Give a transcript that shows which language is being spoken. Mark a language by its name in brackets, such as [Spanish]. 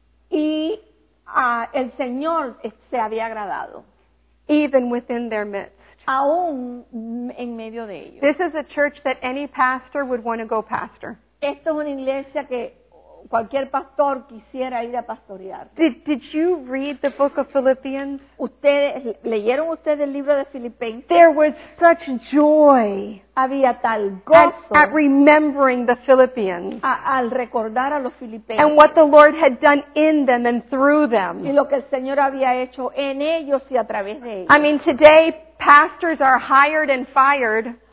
[Spanish] Y el Señor se había agradado. [English] Even within their midst. [Spanish] Aún en medio de ellos. [English] This is a church that any pastor would want to go pastor. [Spanish] Esto es una iglesia que cualquier pastor quisiera ir a pastorear. [English] Did you read the book of Philippians? [Spanish] ¿Leyeron ustedes el libro de Filipenses? [English] There was such joy. [Spanish] Había tal gozo [English] at remembering the Philippians. [Spanish] Al recordar a los filipenses. [English] And what the Lord had done in them and through them. [Spanish] Y lo que el Señor había hecho en ellos y a través de ellos. [English] I mean, today pastors are hired and fired.